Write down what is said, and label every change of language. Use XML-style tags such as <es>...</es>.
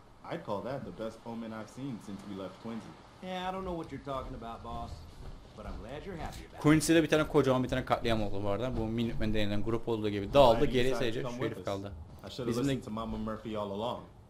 <en>I'd call that the best Pullman I've seen since we left Quincy. Yeah, I don't know what you're talking about, boss. But I'm glad you're happy about it.</en> <tr>Quincy'de bir tane kocaman bir tane katliam oldu bu arada. Bu Minutemen denilen grup olduğu gibi dağıldı, geriye sadece şu herif kaldı.</tr> <en>I should have listened to Mama Murphy all along.</en>